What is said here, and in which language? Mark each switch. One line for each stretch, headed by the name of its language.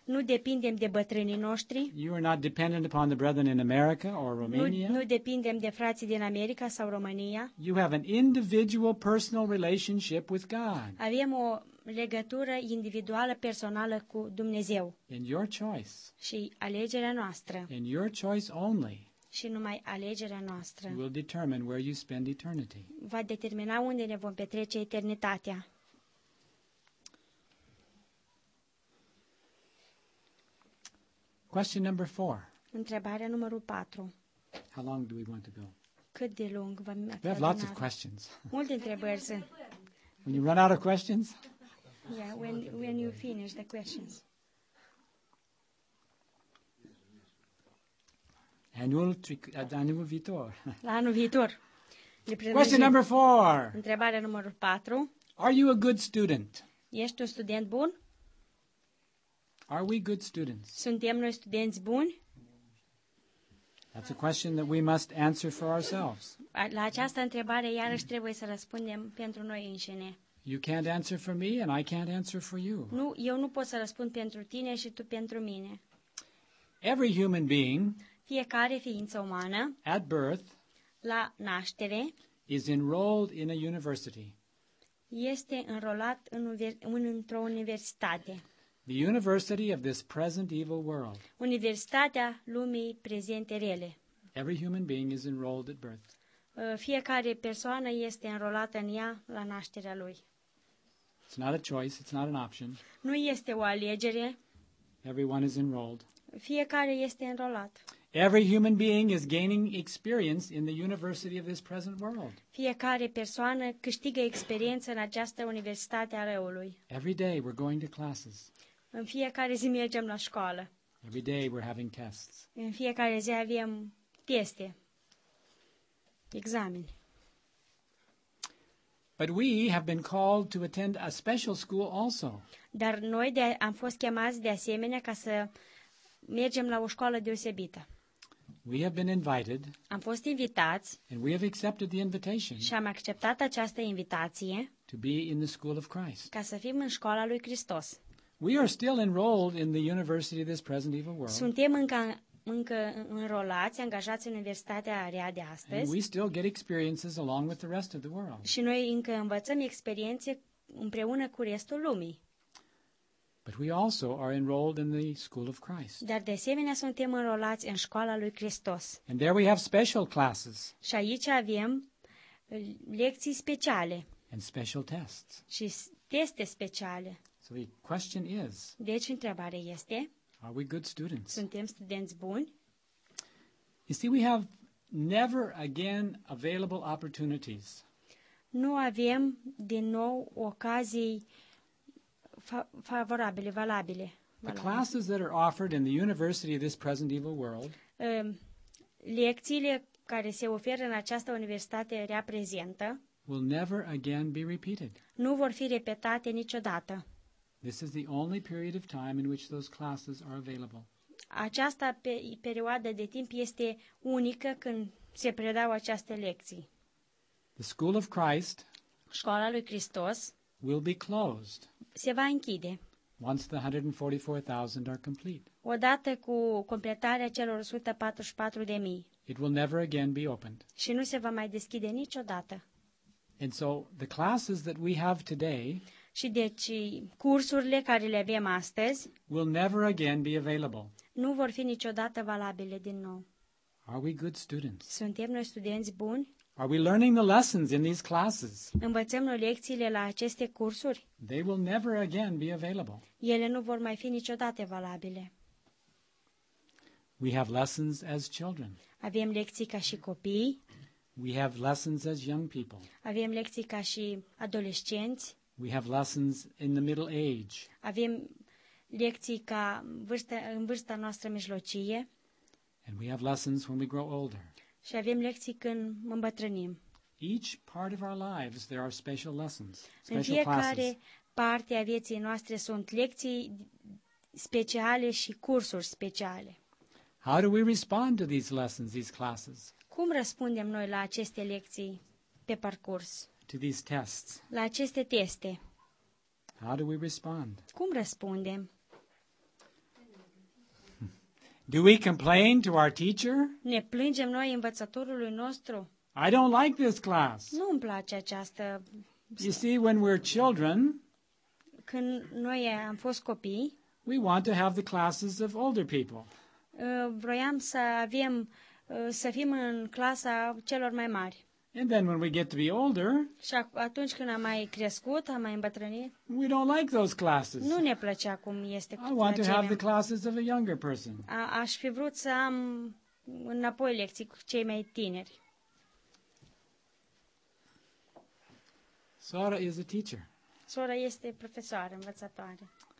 Romanian: Nu depindem de bătrânii noștri.
English: You are not dependent upon the brethren in America or Romania.
Romanian: Nu depindem de frații din America sau România.
English: You have an individual personal relationship with God.
Romanian: Avem o legătură individuală personală cu Dumnezeu.
English: In your choice.
Romanian: Și alegerea noastră.
English: In your choice only.
Romanian: Și numai alegerea noastră
English: will determine where you spend eternity.
Romanian: Va determina unde ne vom petrece eternitatea.
English: Question number 4.
Romanian: Întrebarea numărul 4.
English: How long do we want to go?
Romanian: Cât de lung vă mai
English: We have lots of questions.
Romanian: Multe întrebări sunt.
English: When you run out of questions? Yeah, when you finish the questions.
Romanian: Anul viitor. La anul viitor.
English: Question number 4.
Romanian: Întrebarea numărul 4.
English: Are you a good student?
Romanian: Ești un student bun?
English: Are we good students?
Romanian: Suntem noi studenți buni?
English: That's a question that we must answer for ourselves.
Romanian: La această întrebare iarăși trebuie să răspundem pentru noi înșine.
English: You can't answer for me and I can't answer for you.
Romanian: Nu, eu nu pot să răspund pentru tine și tu pentru mine.
English: Every human being
Romanian: Fiecare ființă umană
English: At birth,
Romanian: la naștere
English: is enrolled in a university.
Romanian: Este înrolat într-o universitate.
English: The university of this present evil world.
Romanian: Universitatea lumii prezente rele.
English: Every human being is enrolled at birth.
Romanian: Fiecare persoană este înrolată în ea la nașterea lui.
English: It's not a choice, it's not an option.
Romanian: Nu este o alegere.
English: Everyone is enrolled.
Romanian: Fiecare este înrolat.
English: Every human being is gaining experience in the university of this present world.
Romanian: Fiecare persoană câștigă experiență în această universitate a răului.
English: Every day we're going to classes.
Romanian: În fiecare zi mergem la școală.
English: Every day we're having tests.
Romanian: În fiecare zi avem teste. Examen.
English: But we have been called to attend a special school also.
Romanian: Dar noi am fost chemați de asemenea ca să mergem la o școală deosebită.
English: We have been invited.
Romanian: Am fost invitați.
English: And we have accepted the invitation.
Romanian: Și am acceptat această invitație.
English: To be in the school of Christ.
Romanian: Ca să fim în școala lui Hristos.
English: We are still enrolled in the university of this present evil world.
Romanian: Suntem încă înrolați, angajați în Universitatea Rea de astăzi.
English: And we still get experiences along with the rest of the world.
Romanian: Și noi încă învățăm experiențe împreună cu restul lumii.
English: But we also are enrolled in the school of Christ.
Romanian: Dar de asemenea suntem înrolați în școala lui Hristos.
English: And there we have special classes.
Romanian: Și aici avem lecții speciale.
English: And special tests.
Romanian: Și teste speciale.
English: So the question is.
Romanian: Deci întrebarea este.
English: Are we good students?
Romanian: Suntem studenți buni?
English: You see, we have never again available opportunities.
Romanian: Nu avem din nou ocazii favorabile, valabile.
English: The classes that are offered in the university of this present evil world.
Romanian: Lecțiile care se oferă în această universitate rea prezentă.
English: Will never again be repeated.
Romanian: Nu vor fi repetate niciodată.
English: This is the only period of time in which those classes are available.
Romanian: Această perioadă de timp este unică când se predau aceste lecții.
English: The School of Christ.
Romanian: Școala lui Hristos.
English: Will be closed.
Romanian: Se va închide.
English: Once the 144,000 are complete.
Romanian: Odată cu completarea celor 144,000.
English: It will never again be opened.
Romanian: Și nu se va mai deschide niciodată.
English: And so the classes that we have today.
Romanian: Și deci cursurile care le avem astăzi.
English: Will never again be available.
Romanian: Nu vor fi niciodată valabile din nou.
English: Are we good students?
Romanian: Suntem noi studenți buni?
English: Are we learning the lessons in these classes?
Romanian: Învățăm noi lecțiile la aceste cursuri?
English: They will never again be available.
Romanian: Ele nu vor mai fi niciodată valabile.
English: We have lessons as children.
Romanian: Avem lecții ca și copii.
English: We have lessons as young people.
Romanian: Avem lecții ca și adolescenți.
English: We have lessons in the middle age.
Romanian: Avem lecții ca în vârsta noastră mijlocie.
English: And we have lessons when we grow older.
Romanian: Și avem lecții când îmbătrânim.
English: Each part of our lives there are special lessons.
Romanian: În fiecare parte a vieții noastre sunt lecții speciale și cursuri speciale.
English: How do we respond to these lessons, these classes?
Romanian: Cum răspundem noi la aceste lecții pe parcurs?
English: To these tests.
Romanian: La aceste teste.
English: How do we respond?
Romanian: Cum răspundem?
English: Do we complain to our teacher?
Romanian: Ne plângem noi învățătorului nostru?
English: I don't like this class.
Romanian: Nu îmi place această.
English: You see, when we're children,
Romanian: când noi am fost copii,
English: we want to have the classes of older people.
Romanian: Vroiam să avem să fim în clasa celor mai mari.
English: And then when we get to be older,
Romanian: și atunci când am mai crescut, am mai îmbătrânit,
English: we don't like those classes.
Romanian: Nu ne plăcea cum este.
English: I want to have the classes of a younger person.
Romanian: Aș fi vrut să am înapoi lecții cu cei mai tineri.
English: Sora is a teacher.
Romanian: Sora este profesoară, învățătoare.